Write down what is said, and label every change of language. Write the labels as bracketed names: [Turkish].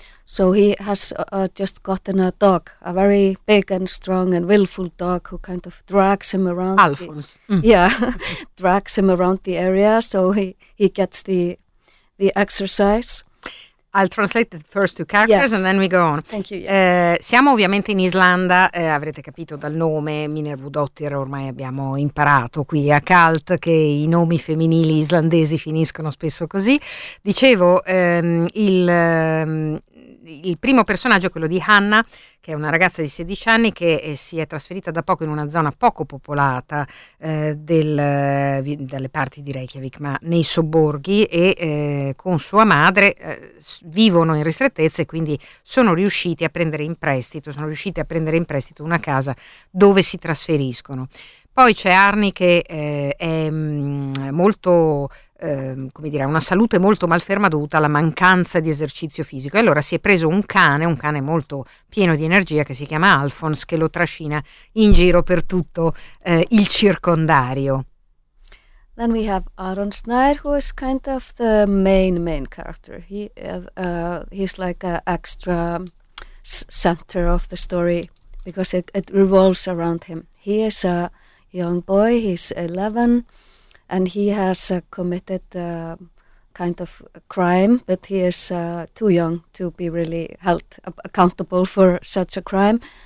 [English] So he has just gotten a dog, a very big and strong and willful dog who kind of drags him around. Alphonse. drags him around the area, so he gets the exercise. I'll translate the first two characters, yes, and then we go on. Thank you. Yes. [Italian] Siamo ovviamente in Islanda, avrete capito dal nome, Minervudóttir, ormai abbiamo imparato qui a Calt che i nomi femminili islandesi finiscono spesso così. Dicevo, il primo personaggio è quello di Hannah, che è una ragazza di 16 anni che si è trasferita da poco in una zona poco popolata dalle parti di Reykjavik, ma nei sobborghi, e con sua madre vivono in ristrettezze, quindi sono riuscite a prendere in prestito una casa dove si trasferiscono. Poi c'è Árni, che è molto, come dire, una salute molto malferma dovuta alla mancanza di esercizio fisico, e allora si è preso un cane molto pieno di energia che si chiama Alphonse, che lo trascina in giro per tutto il circondario. [English] Then we have Aaron Snyder, who is kind of the main character. He's like an extra center of the story, because it revolves around him. He is a young boy, he's 11, and he has committed a kind of a crime, but he is too young to be really held accountable for such a crime.